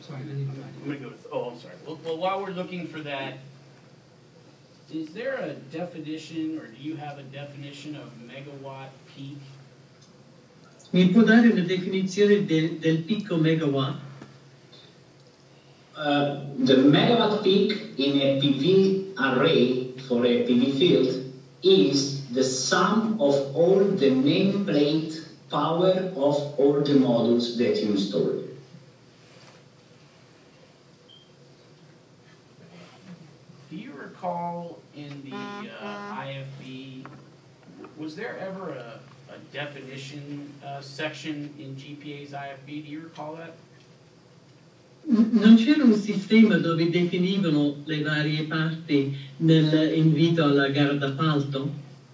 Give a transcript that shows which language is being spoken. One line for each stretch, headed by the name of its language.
English: While we're looking for that, is there a definition, or do you have a definition of megawatt peak?
Italian: Mi può dare una definizione del picco megawatt?
English: The megawatt peak in a PV array for a PV field is the sum of all the nameplate power of all the modules that you installed. Call in the IFB, was there ever a definition section in GPA's IFB? Do you recall that?
Italian: Non c'era un sistema dove definivano le varie parti nell'invito alla gara d'appalto?